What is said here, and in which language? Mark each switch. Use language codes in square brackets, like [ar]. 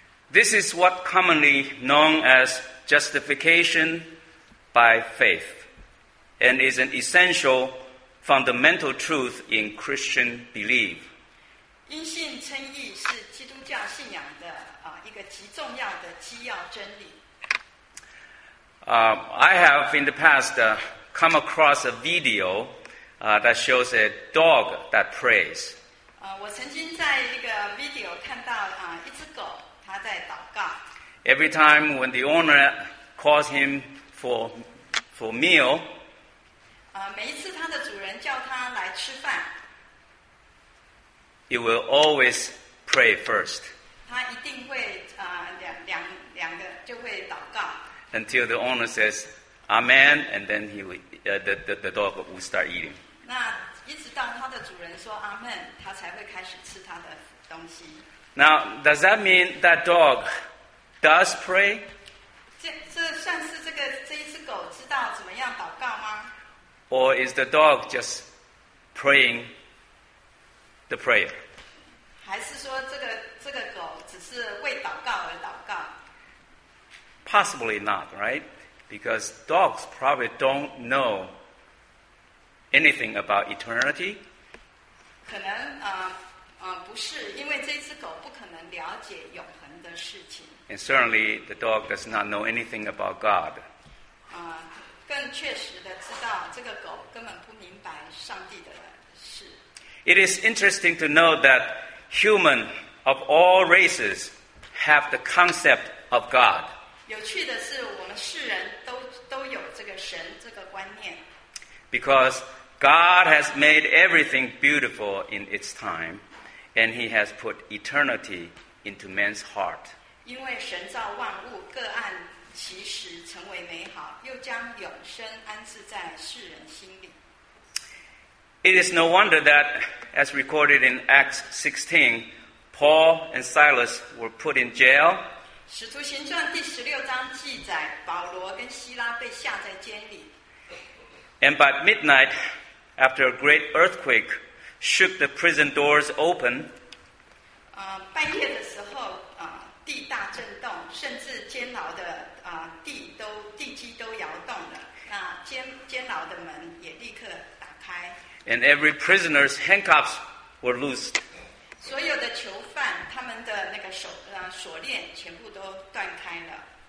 [en] This is what commonly known as justification by faith, and is an essential fundamental truth in Christian belief. [zh] 因信称义是基督教信仰的, 一个极重要的基要真理。 [en] I have in the past come across a video that shows a dog that prays. [zh] 我曾经在一个 video 看到一只狗，它在祷告。 [en] Every time when the owner calls him for meal, [zh] 每一次它的主人叫它来吃饭， [en] it will always pray first. [zh] 它一定会两个就会祷告。 [en] Until the owner says Amen, and then he would, the dog will start eating. [zh] 那一直到它的主人说 Amen, 它才会开始吃它的东西。 [en] Now, does that mean that dog does pray? [zh] 这算是这一只狗知道怎么样祷告吗？ [en] Or is the dog just praying the prayer? [zh] 还是说这个狗只是为祷告而祷告？ [en] Possibly not, right? Because dogs probably don't know anything about eternity. [zh] 可能不是，因为这只狗不可能了解永恒的事情。 [en] And certainly, the dog does not know anything about God. [zh] 更确实的知道这个狗根本不明白上帝的事。 [en] It is interesting to know that humans of all races have the concept of God. [zh] 有趣的是，我们世人都有这个神这个观念。 [en] Because God has made everything beautiful in its time. And he has put eternity into man's heart. [zh] 因为神造万物，各按其时成为美好，又将永生安置在世人心里。 [en] It is no wonder that, as recorded in Acts 16, Paul and Silas were put in jail. [zh] 使徒行传第十六章记载，保罗跟希拉被下在监里。 [en] And by midnight, after a great earthquake,shook the prison doors open. [zh] 半夜的时候，地大震动，甚至监牢的地基都摇动了。监牢的门也立刻打开。 [en] And every prisoner's handcuffs were loosed. [zh] 所有的囚犯他们的那个锁链全部都断开了。